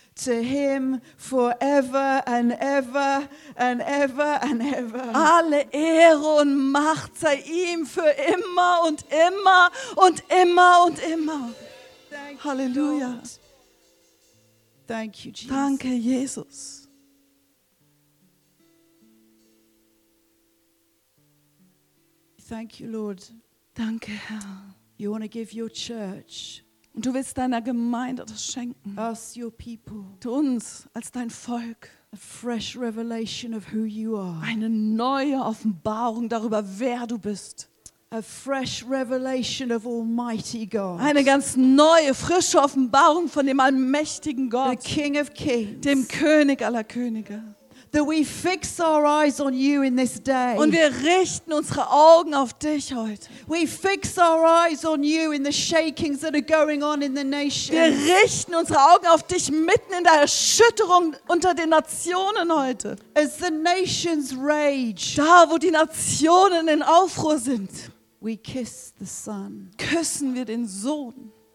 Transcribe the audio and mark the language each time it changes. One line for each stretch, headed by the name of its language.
English: To him forever and ever and ever and ever.
German: Alle Ehre und Macht sei ihm für immer und immer und immer und immer.
English: Thank Halleluja. Lord. Thank you, Jesus.
German: Danke, Jesus.
English: Thank you, Lord.
German: Danke, Herr.
English: You want to give your church.
German: Und du willst deiner Gemeinde das schenken.
English: Us, your people.
German: Du uns als dein Volk.
English: A fresh revelation of who you are.
German: Eine neue Offenbarung darüber, wer du bist.
English: A fresh revelation of Almighty God.
German: Eine ganz neue, frische Offenbarung von dem allmächtigen Gott.
English: The King of Kings.
German: Dem König aller Könige.
English: That we fix our eyes on you in this day.
German: Und wir richten unsere Augen auf dich heute.
English: We fix our eyes on you in the shakings that are going on in the nation.
German: Wir richten unsere Augen auf dich mitten in der Erschütterung unter den Nationen heute.
English: As the nations rage.
German: Da, wo die Nationen in Aufruhr sind.
English: We kiss the Son.
German: Küssen wir den Sohn.